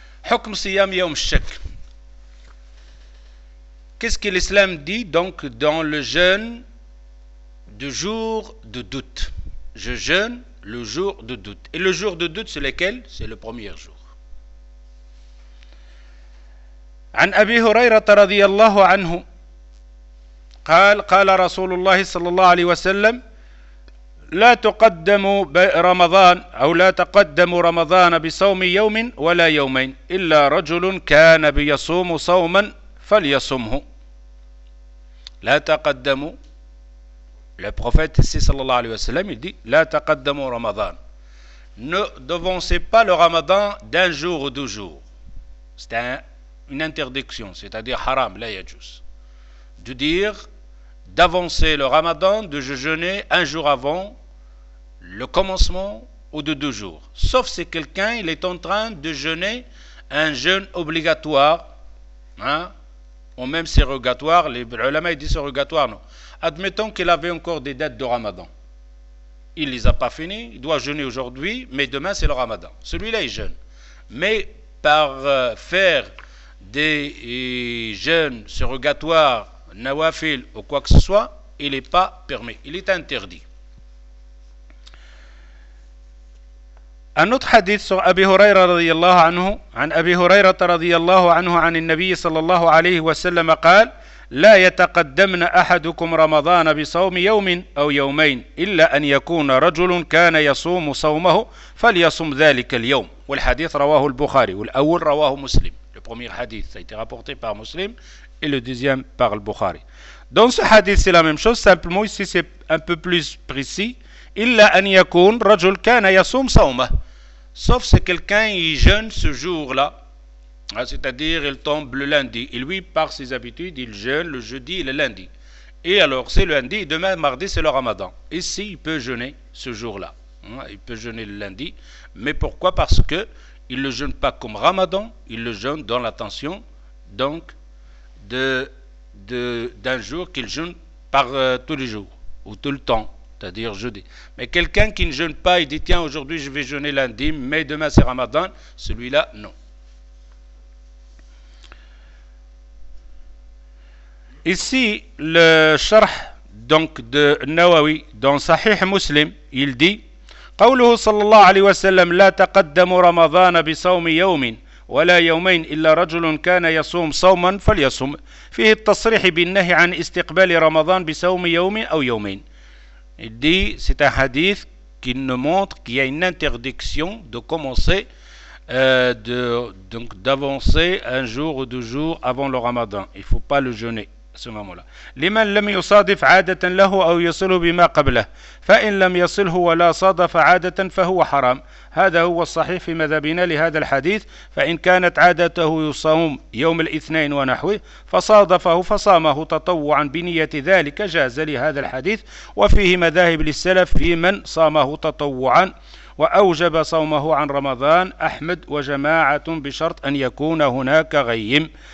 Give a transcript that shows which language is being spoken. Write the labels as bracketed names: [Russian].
[Arabic] Hukm siyam yawm shak. [French] Qu'est-ce que l'islam dit donc dans le jeûne du jour de doute? Je jeûne le jour de doute. Et le jour de doute, c'est lequel? C'est le premier jour. [Arabic] عن أبي هريرة رضي الله عنه قال قال رسول الله صلى الله عليه وسلم لا تقدموا رمضان أو لا تقدموا رمضان بصوم يوم ولا يومين إلا رجل كان بيصوم صوما فليصمه. لا تقدموا البروفيت صلى الله عليه وسلم يدي لا تقدموا رمضان [French] ne devancez pas le ramadan d'un jour ou deux jours. Une interdiction, c'est-à-dire haram, [Arabic] la yajus, [French] de dire, d'avancer le ramadan, de jeûner un jour avant le commencement ou de deux jours. Sauf si quelqu'un, il est en train de jeûner un jeûne obligatoire, hein, ou même c'est rogatoire, les ulama ils disent c'est rogatoire, non. Admettons qu'il avait encore des dettes de ramadan. Il ne les a pas finies, il doit jeûner aujourd'hui, mais demain c'est le ramadan. Celui-là, il jeûne. Mais par faire des jeûnes surrogatoires, nawafil ou quoi que ce soit, il n'est pas permis, il est interdit. Un autre hadith sur [Arabic] Abi Huraira radiyallahu anhu, an Abi Huraira radiyallahu anhu, an il Nabi sallallahu alayhi wa sallam, قال لا يتقدمن أحدكم رمضان بصوم يوم أو يومين إلا أن يكون رجل كان يصوم صومه فليصم ذلك اليوم. والحديث رواه البخاري والأول رواه مسلم. [French] Premier hadith, ça a été rapporté par Muslim et le deuxième par le Bukhari. Dans ce hadith, c'est la même chose, simplement ici c'est un peu plus précis. [Arabic] Illa an yakun rajul kana yasum sauma. [French] Sauf si quelqu'un il jeûne ce jour-là, c'est-à-dire il tombe le lundi, et lui par ses habitudes il jeûne le jeudi et le lundi. Et alors c'est lundi, demain mardi c'est le ramadan. Ici il peut jeûner ce jour-là, il peut jeûner le lundi, mais pourquoi? Parce que il ne le jeûne pas comme Ramadan, il le jeûne dans l'attention, donc, d'un jour qu'il jeûne tous les jours ou tout le temps, c'est-à-dire jeudi. Mais quelqu'un qui ne jeûne pas, il dit tiens, aujourd'hui je vais jeûner lundi, mais demain c'est Ramadan, celui-là, non. Ici, le sharh donc de Nawawi dans Sahih Muslim, il dit [Arabic] قوله صلى الله عليه وسلم لا تقدم رمضان بصوم يوم ولا يومين إلا رجل كان يصوم صوما فليصوم فيه التصريح بالنهي عن استقبال رمضان بصوم يوم أو يومين. [French] Il dit, c'est un hadith qui nous montre qu'il y a une interdiction de commencer donc d'avancer un jour ou deux jours avant le Ramadan. Il ne faut pas le jeûner. [Arabic] لمن لم يصادف عادة له أو يصله بما قبله فإن لم يصله ولا صادف عادة فهو حرام هذا هو الصحيح في مذهبنا لهذا الحديث فإن كانت عادته يصوم يوم الاثنين ونحوه فصادفه فصامه تطوعا بنية ذلك جاز لهذا الحديث وفيه مذاهب للسلف في من صامه تطوعا وأوجب صومه عن رمضان أحمد وجماعة بشرط أن يكون هناك غيم.